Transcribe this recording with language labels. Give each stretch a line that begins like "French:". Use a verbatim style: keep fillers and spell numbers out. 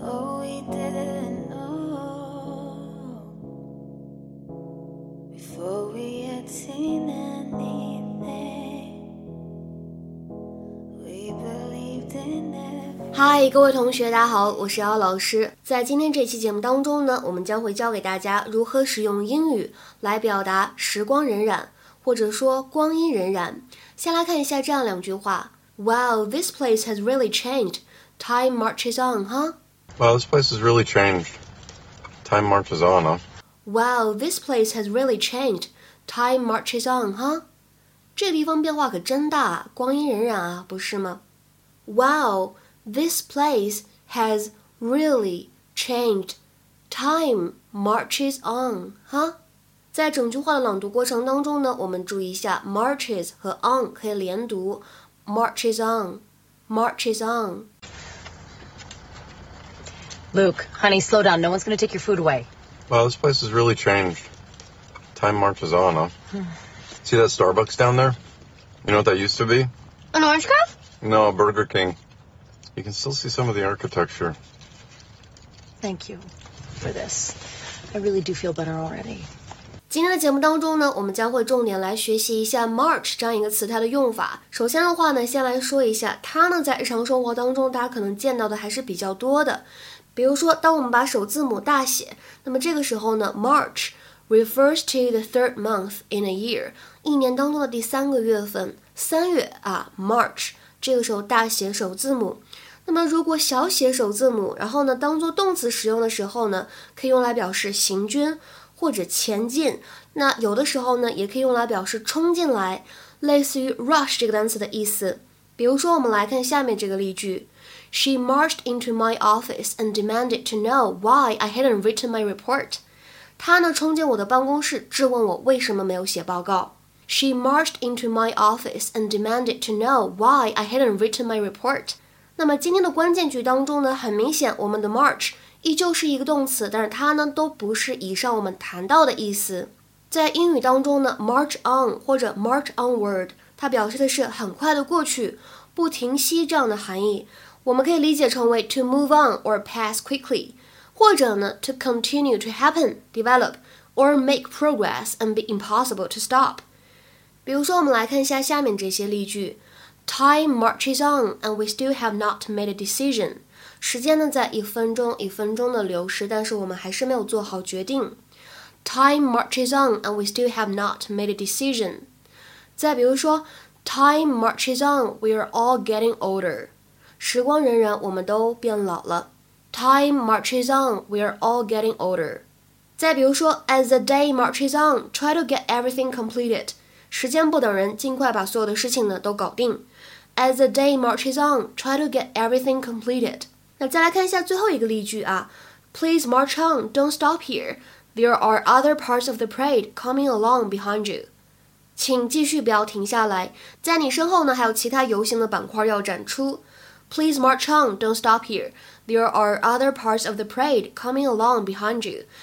English: Oh, we didn't know before we had seen anything. We believed in it.
Chinese: 嗨，各位同学，大家好，我是姚老师。在今天这期节目当中呢，我们将会教给大家如何使用英语来表达时光荏苒。或者说光阴荏苒。先来看一下这样两句话。
English: Wow, this place has really changed. Time marches on, huh? Wow, this place has really changed. Time marches on, huh? Wow, this place has really changed. Time marches on, huh?
Chinese: 这地方变化可真大，光阴荏苒啊，不是吗？
English: Wow, this place has really changed. Time marches on, huh?
Chinese: 在整句话的朗读过程当中呢，我们注意一下 marches 和 on 可以连读
English: marches on, marches on. Luke, honey, slow down. No one's going to take your food away. Wow, this place has really changed. Time marches on, huh? Hmm. See that Starbucks down there? You know what that used to be? An orange grove? No, Burger King. You can still see some of the architecture. Thank you for this. I really do feel better already.
Chinese: 今天的节目当中呢，我们将会重点来学习一下 march 这样一个词态的用法。首先的话呢，先来说一下它呢，在日常生活当中大家可能见到的还是比较多的。比如说当我们把首字母大写，那么这个时候呢
English: march refers to the third month in a year，
Chinese: 一年当中的第三个月份，三月啊 march 这个时候大写首字母。那么如果小写首字母然后呢当做动词使用的时候呢，可以用来表示行军或者前进，那有的时候呢也可以用来表示冲进来，类似于 rush 这个单词的意思。比如说我们来看下面这个例句
English: She marched into my office and demanded to know why I hadn't written my report.
Chinese: 她呢冲进我的办公室质问我为什么没有写报告。
English: She marched into my office and demanded to know why I hadn't written my report.
Chinese: 那么今天的关键句当中呢，很明显我们的 march依旧是一个动词，但是它呢都不是以上我们谈到的意思。在英语当中呢 march on 或者 march onward 它表示的是很快的过去，不停息这样的含义。我们可以理解成为
English: to move on or pass quickly，
Chinese: 或者呢
English: to continue to happen, develop or make progress and be impossible to stop。
Chinese: 比如说我们来看一下下面这些例句
English: Time marches on and we still have not made a decision。
Chinese: 时间呢在一分钟一分钟的流逝，但是我们还是没有做好决定。
English: Time marches on and we still have not made a decision。
Chinese: 再比如说
English: Time marches on, we are all getting older。
Chinese: 时光荏苒，我们都变老了。
English: Time marches on, we are all getting older。
Chinese: 再比如说
English: As the day marches on, try to get everything completed。
Chinese: 时间不等人，尽快把所有的事情呢都搞定。
English: As the day marches on, try to get everything completed。
Chinese: 那再来看一下最后一个例句啊
English: Please march on, don't stop here. There are other parts of the parade coming along behind you.
Chinese: 请继续，不要停下来，在你身后呢还有其他游行的板块要展出。
English: Please march on, don't stop here. There are other parts of the parade coming along behind you.